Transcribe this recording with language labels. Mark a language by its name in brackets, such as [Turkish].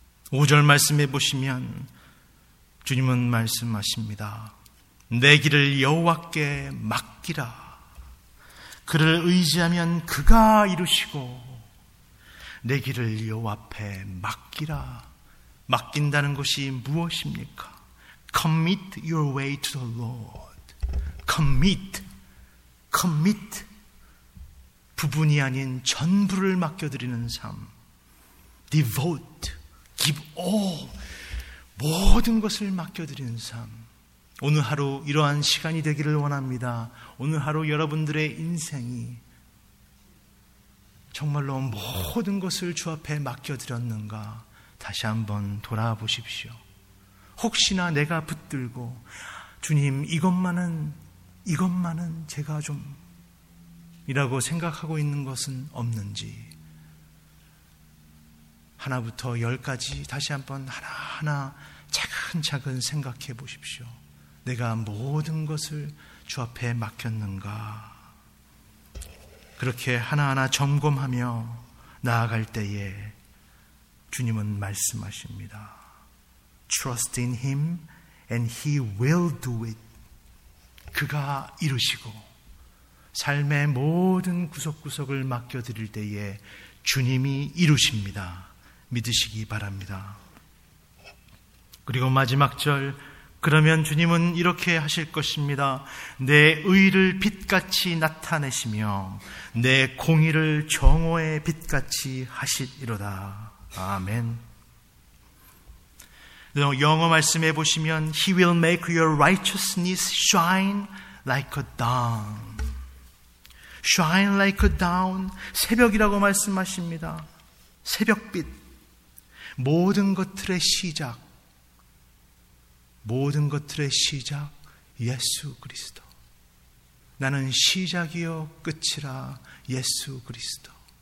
[Korean] 5절 말씀해 보시면 주님은 말씀하십니다. 내 길을 여호와께 맡기라. 그를 의지하면 그가 이루시고 내 길을 여호와 앞에 맡기라. 맡긴다는 것이 무엇입니까? [English] Commit your way to the Lord. Commit. Commit. [Korean] 부분이 아닌 전부를 맡겨드리는 삶. [English] Devote. Give all. [Korean] 모든 것을 맡겨드리는 삶. 오늘 하루 이러한 시간이 되기를 원합니다. 오늘 하루 여러분들의 인생이 정말로 모든 것을 주 앞에 맡겨드렸는가 다시 한번 돌아보십시오. 혹시나 내가 붙들고 주님 이것만은 제가 좀 이라고 생각하고 있는 것은 없는지 하나부터 열까지 다시 한번 하나하나 차근차근 생각해 보십시오. 내가 모든 것을 주 앞에 맡겼는가? 그렇게 하나하나 점검하며 나아갈 때에 주님은 말씀하십니다. [English] Trust in Him and He will do it. [Korean] 그가 이루시고 삶의 모든 구석구석을 맡겨드릴 때에 주님이 이루십니다. 믿으시기 바랍니다. 그리고 마지막 절 그러면 주님은 이렇게 하실 것입니다. 내 의를 빛같이 나타내시며 내 공의를 정오의 빛같이 하시리로다. 아멘. 영어 말씀해 보시면 [English] He will make your righteousness shine like a dawn. Shine like a dawn. [Korean] 새벽이라고 말씀하십니다. 새벽빛. 모든 것들의 시작. 모든 것들의 시작 예수 그리스도. 나는 시작이요 끝이라 예수 그리스도.